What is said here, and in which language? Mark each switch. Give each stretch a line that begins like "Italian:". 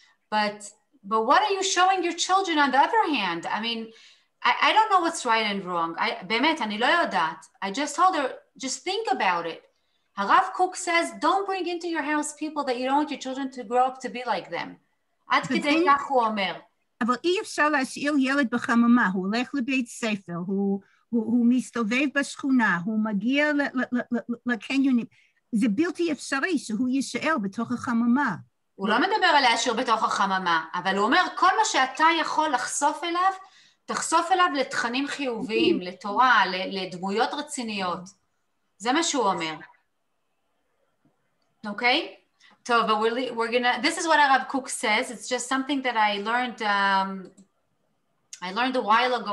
English: But what are you showing your children on the other hand? I mean, I don't know what's right and wrong. I just told her, just think about it. Rav Kook says, don't bring into your house people that you don't want your children to grow up to be like them.
Hebrew: עד כדי כך הוא אומר. אבל אי אפשר להשאיר ילד בחממה. הוא הולך לבית ספר, הוא מסתובב בשכונה, הוא מגיע לקניונים. זה בלתי אפשרי שהוא יישאר בתוך החממה. הוא לא מדבר על להשאיר בתוך החממה, אבל הוא אומר, כל מה שאתה יכול לחשוף אליו, תחשוף אליו לתכנים חיוביים, לתורה, לדמויות רציניות. זה מה שהוא אומר.
English: Okay? טוב, but we're gonna, this is what Rav Kook says. It's just something that I learned a while ago.